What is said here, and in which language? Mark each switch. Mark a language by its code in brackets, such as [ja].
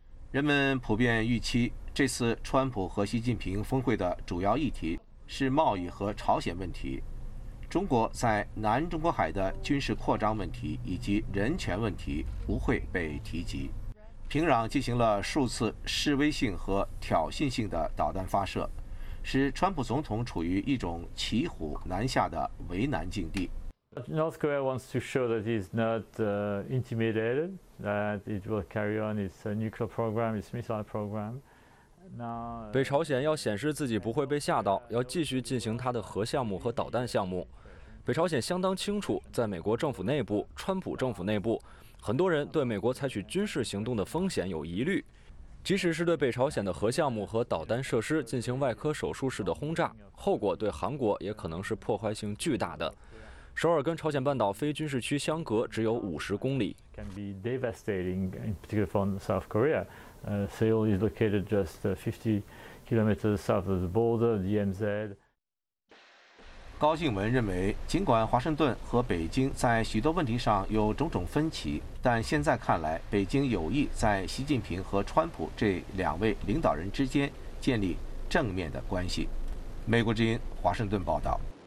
[zh] 人们普遍预期这次川普和习近平峰会的主要议题是贸易和朝鲜问题、中国在南中国海的军事扩张问题以及人权问题不会被提及。平壤进行了数次示威性和挑衅性的导弹发射，使川普总统处于一种骑虎难下的为难境地。 [en] North Korea wants to show that he's not intimidated, that it will carry on its nuclear program, its missile program. [zh] 北朝鲜要显示自己不会被吓到，要继续进行他的核项目和导弹项目。北朝鲜相当清楚，在美国政府内部、川普政府内部，很多人对美国采取军事行动的风险有疑虑。即使是对北朝鲜的核项目和导弹设施进行外科手术式的轰炸，后果对韩国也可能是破坏性巨大的。首尔跟朝鲜半岛非军事区相隔只有50公里。 [en] Can be devastating, in particular for South Korea. Seoul is located just 50 kilometers south of the border, DMZ. [zh] 高静文认为，尽管华盛顿和北京在许多问题上有种种分歧，但现在看来，北京有意在习近平和川普这两位领导人之间建立正面的关系。美国之音华盛顿报道。